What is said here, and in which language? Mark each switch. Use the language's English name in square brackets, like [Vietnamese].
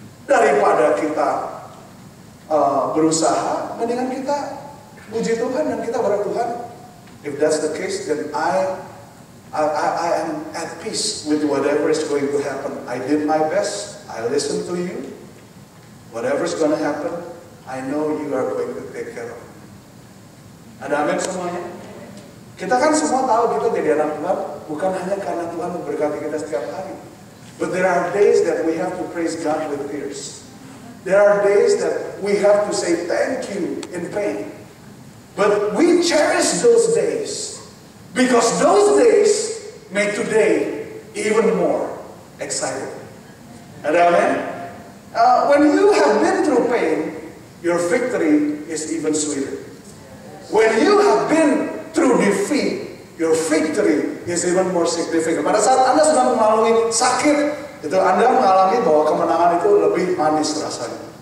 [Indonesian] Daripada kita berusaha, mendingan kita puji Tuhan dan kita berkata, Tuhan, [English] if that's the case, then I am at peace with whatever is going to happen. I did my best, I listened to you, Whatever's going to happen, I know you are going to take care of me. [Indonesian] Ada amin semuanya? Kita kan semua tahu kita jadi anak Tuhan bukan hanya karena Tuhan memberkati kita setiap hari. [English] But there are days that we have to praise God with tears. There are days that we have to say thank you in pain. But we cherish those days because those days make today even more exciting. And amen? When you have been through pain, your victory is even sweeter. When you have been through defeat, your victory is even more significant. [Indonesian] Pada saat Anda sedang mengalami sakit, itu Anda mengalami bahwa kemenangan itu lebih manis rasanya.